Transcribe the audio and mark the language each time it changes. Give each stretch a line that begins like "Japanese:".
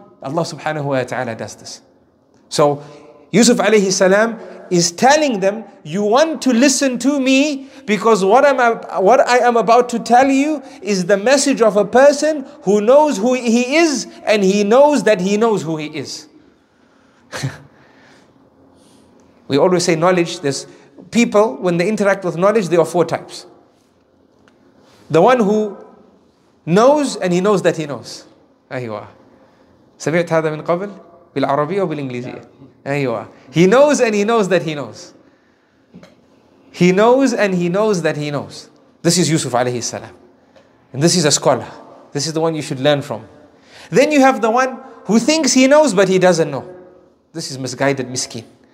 English: Allah subhanahu wa ta'ala does this. So Yusuf alayhi salam is telling them, you want to listen to me because what I am about to tell you is the message of a person who knows who he is and he knows that he knows who he is. We always say knowledge, there's people, when they interact with knowledge, there are four types. The one who knows and he knows that he knows. There you are.
Arabic: سمعت هذا من قبل؟ بالعربية أو بالإنجليزية؟
English: There you are. He knows and he knows that he knows. He knows and he knows that he knows. This is Yusuf alayhi salam. And this is a scholar. This is the one you should learn from. Then you have the one who thinks he knows but he doesn't know. This is misguided miskin.